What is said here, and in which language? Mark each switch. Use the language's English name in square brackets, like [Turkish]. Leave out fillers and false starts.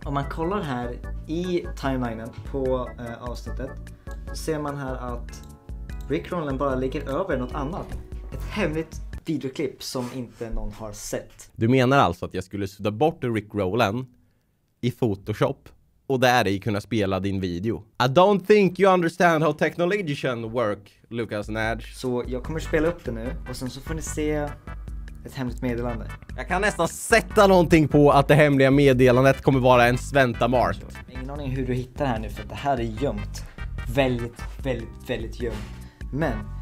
[Swedish] Om man kollar här i timelinen på avsnittet, så ser man här att rickrollen bara ligger över något annat. Ett hemligt videoklipp som inte någon har sett. Du menar alltså att jag skulle sudda bort rickrollen i Photoshop och där i kunna spela din video. [English] I don't think you understand how technology can work, Lucas Nodge. [Swedish] Så jag kommer spela upp det nu och sen så får ni se ett hemligt meddelande. Jag kan nästan sätta någonting på att det hemliga meddelandet kommer vara en Sventa Mart. Ingen aning hur du hittar det här nu, för att det här är gömt. Väldigt, väldigt, väldigt gömt. Men